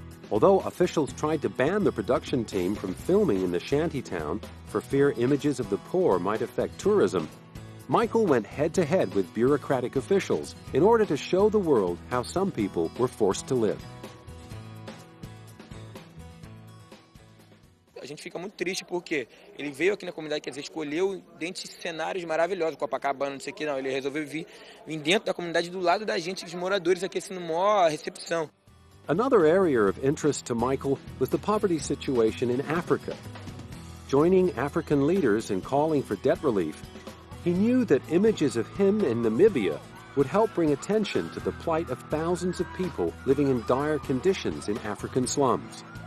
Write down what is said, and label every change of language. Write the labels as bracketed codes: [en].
[en] Although officials tried to ban the production team from filming in the shanty town for fear images of the poor might affect tourism, Michael went head-to-head with bureaucratic officials in order to show the world how some people were forced to live. [pt] A gente fica muito triste porque ele veio aqui na comunidade, quer dizer, escolheu dentro de cenários maravilhosos, Copacabana, não sei o que, não. Ele resolveu vir dentro da comunidade, do lado da gente, dos moradores aqui, assim, numa maior recepção. [en] Another area of interest to Michael was the poverty situation in Africa. Joining African leaders in calling for debt relief, he knew that images of him in Namibia would help bring attention to the plight of thousands of people living in dire conditions in African slums.